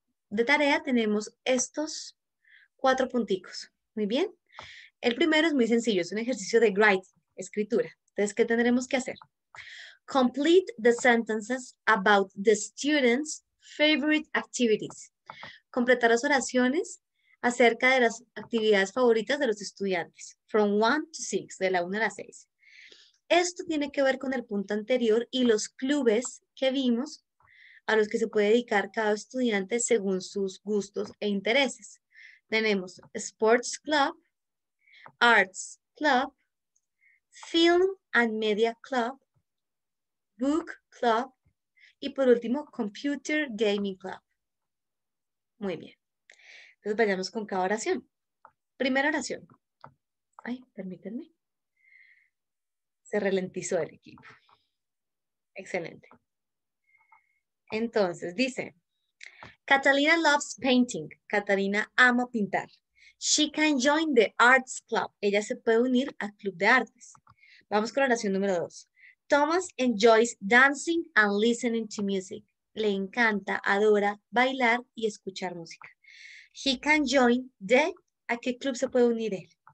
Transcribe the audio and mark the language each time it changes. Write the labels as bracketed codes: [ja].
[es] De tarea tenemos estos cuatro punticos. Muy bien. El primero es muy sencillo. Es un ejercicio de grade, escritura. Entonces, ¿qué tendremos que hacer? [en] Complete the sentences about the students' favorite activities. [es] Completar las oraciones acerca de las actividades favoritas de los estudiantes. [en] From 1 to 6, [es] de la 1 a la 6. Esto tiene que ver con el punto anterior y los clubes que vimos a los que se puede dedicar cada estudiante según sus gustos e intereses. Tenemos Sports Club, Arts Club, Film and Media Club, Book Club y por último Computer Gaming Club. Muy bien. Entonces vayamos con cada oración. Primera oración. Ay, permítanme. Se ralentizó el equipo. Excelente. Entonces, dice, [en] Catalina loves painting. [es] Catalina ama pintar. [en] She can join the arts club. [es] Ella se puede unir al club de artes. Vamos con la oración número dos. [en] Thomas enjoys dancing and listening to music. [es] Le encanta, adora bailar y escuchar música. [en] He can join the, [es] ¿a qué club se puede unir él?